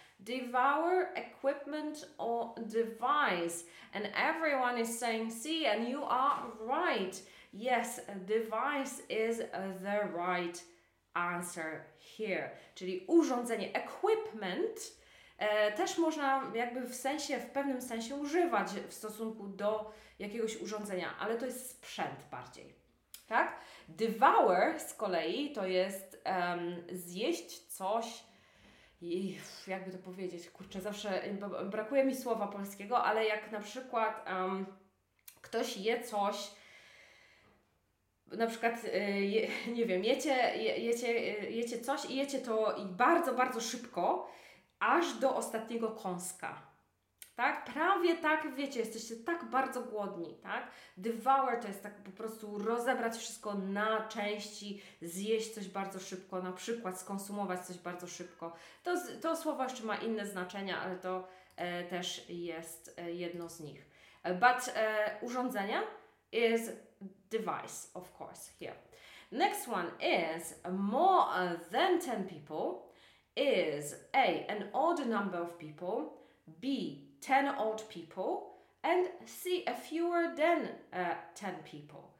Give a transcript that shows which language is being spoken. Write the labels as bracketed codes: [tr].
[en] Devour, equipment or device. And everyone is saying C and you are right. Yes, device is the right answer here. [pl] Czyli urządzenie, equipment, też można jakby w sensie, w pewnym sensie używać w stosunku do jakiegoś urządzenia, ale to jest sprzęt bardziej, tak? Devour z kolei to jest zjeść coś, jakby to powiedzieć, kurczę, zawsze brakuje mi słowa polskiego, ale jak na przykład ktoś je coś, na przykład, nie wiem, jecie coś i jecie to bardzo, bardzo szybko, aż do ostatniego kąska. Tak? Prawie tak, wiecie, jesteście tak bardzo głodni, tak? Devour to jest tak po prostu rozebrać wszystko na części, zjeść coś bardzo szybko, na przykład skonsumować coś bardzo szybko. To słowo jeszcze ma inne znaczenia, ale to też jest jedno z nich. [en] But urządzenia is device, of course, here. Next one is more than 10 people is A, an odd number of people, B, 10 odd people, and C, a fewer than 10 people.